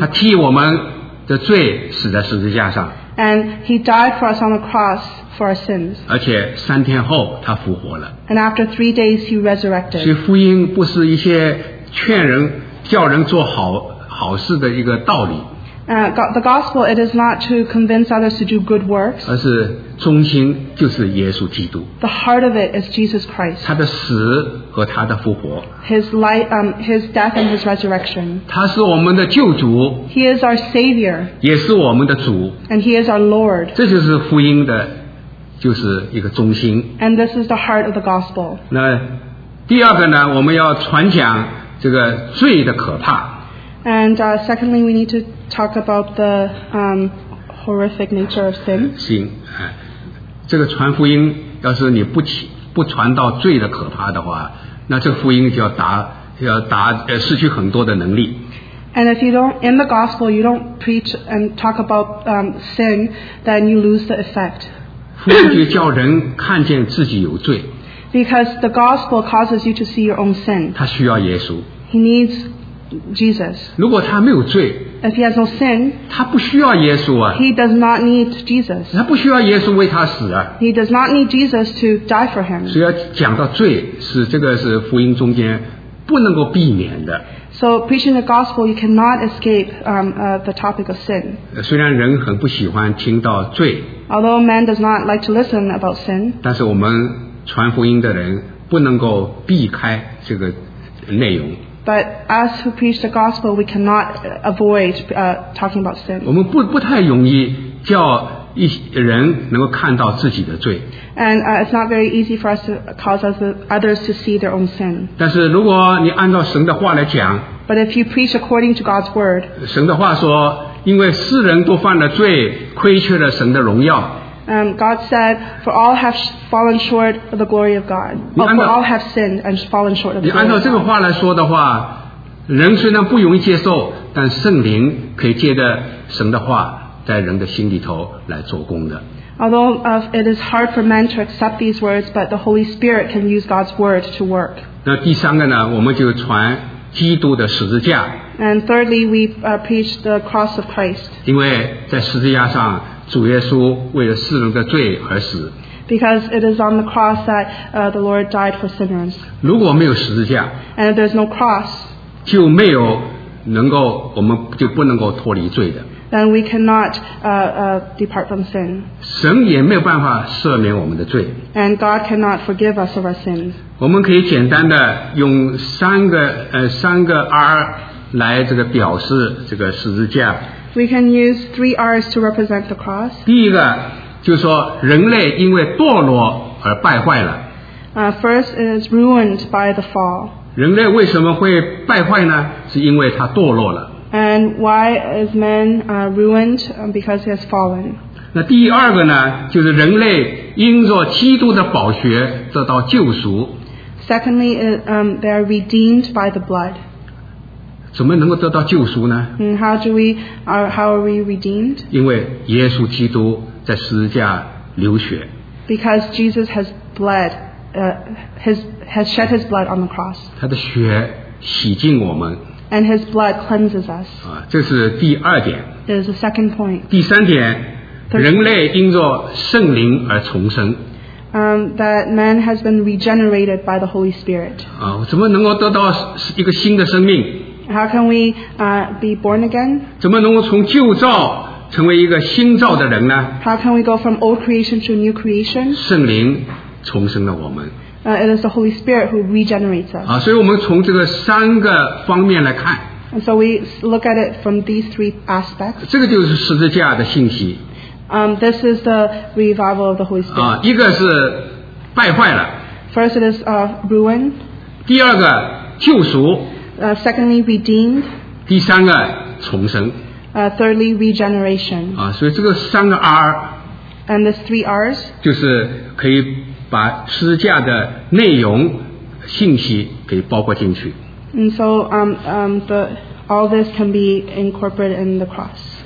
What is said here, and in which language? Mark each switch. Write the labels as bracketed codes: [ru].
[zh] 他替我们的罪死在十字架上。 [en] And he died for us on the cross for our sins. [zh] 而且三天后他复活了。 [en] And after 3 days he resurrected. [zh] 所以福音不是一些劝人叫人做好事的一个道理。 [en] The gospel, it is not to convince others to do good works. [zh] 而是中心就是耶稣基督。 [en] The heart of it is Jesus Christ. [zh] 他的死和他的复活。 [en] His life, his death and his resurrection. [zh] 他是我们的救主。 [en] He is our Savior. [zh] 也是我们的主。 [en] And he is our Lord. [zh] 这就是福音的，就是一个中心。 [en] And this is the heart of the gospel. [zh] 那第二个呢，我们要传讲这个罪的可怕。 [en] And secondly, we need to talk about the horrific nature of sin. [zh] 行，这个传福音，要是你不传到罪的可怕的话，那这个福音就要失去很多的能力。 [en] And if you don't, in the gospel, you don't preach and talk about sin, then you lose the effect. [zh] 福音就叫人看见自己有罪。 [en] Because the gospel causes you to see your own sin. [zh] 他需要耶稣。 [en] He needs Jesus. [zh] 如果他没有罪 [en] if he has no sin, [zh] 他不需要耶稣啊。 [en] He does not need Jesus. [zh] 他不需要耶稣为他死啊。 [en] He does not need Jesus to die for him. [zh] 所以要讲到罪，是这个是福音中间不能够避免的。 [en] So preaching the gospel, you cannot escape the topic of sin. [zh] 虽然人很不喜欢听到罪 [en] although man does not like to listen about sin, [zh] 但是我们传福音的人不能够避开这个内容。 [en] But us who preach the gospel, we cannot avoid talking about sin. [zh] 我们不太容易叫一人能够看到自己的罪。 [en] And it's not very easy for us to cause others to see their own sin. [zh] 但是如果你按照神的话来讲 [en] But if you preach according to God's word, [zh] 神的话说，因为世人都犯了罪，亏缺了神的荣耀。 [en] God said, for all have fallen short of the glory of God. For all have sinned and fallen short of the glory of God. [zh] 你按照这个话来说的话，人虽然不容易接受，但圣灵可以借着神的话在人的心里头来做工的。 [en] Although it is hard for men to accept these words, but the Holy Spirit can use God's word to work. [zh] 那第三个呢，我们就传基督的十字架。 [en] And thirdly, we preach the cross of Christ. [zh] 因为在十字架上主耶稣为了世人的罪而死。 [en] Because it is on the cross that the Lord died for sinners. [zh] 如果没有十字架 [en] And if there's no cross, [zh] 就没有能够我们就不能够脱离罪的。 [en] Then we cannot depart from sin. [zh] 神也没有办法赦免我们的罪。 [en] And God cannot forgive us of our sins. [zh] 我们可以简单的用三个 R 来这个表示这个十字架。 [en] We can use 3 R's to represent the cross. [zh] 第一个就是说人类因为堕落而败坏了。 [en] First is ruined by the fall. [zh] 人类为什么会败坏呢？是因为他堕落了。 [en] And why is man ruined? Because he has fallen. [zh] 那第二个呢，就是人类因着基督的宝血得到救赎。 [en] Secondly, they are redeemed by the blood. [zh] 怎么能够得到救赎呢？ [en] 嗯 ，How are we redeemed? [zh] 因为耶稣基督在十字架流血。 [en] Because Jesus has bled, has shed his blood on the cross. [zh] 他的血洗净我们。 [en] And his blood cleanses us. [zh] 这是第二点。 [en] It is the second point. [zh] 第三点，人类因着圣灵而重生。 [en] That man has been regenerated by the Holy Spirit. [zh] 怎么能够得到一个新的生命？ [en] How can we be born again? [zh] 怎么能够从旧造成为一个新造的人呢？ [en] How can we go from old creation to new creation? [zh] 圣灵重生了我们。 [en] It is the Holy Spirit who regenerates us. [zh] 所以我们从这个三个方面来看。 [en] And so we look at it from these three aspects. [zh] 这个就是十字架的信息。 [en] This is the revival of the Holy Spirit. [zh] 一个是败坏了。 [en] First it is ruined. [zh] 第二个救赎。 [en] Secondly, redeemed. [zh] 第三个重生。 [en] Thirdly, regeneration. [zh] 所以这个三个 R. [en] And the three R's. [zh] 就是可以把十字架的内容信息给包括进去。 [en] And so, all this can be incorporated in the cross.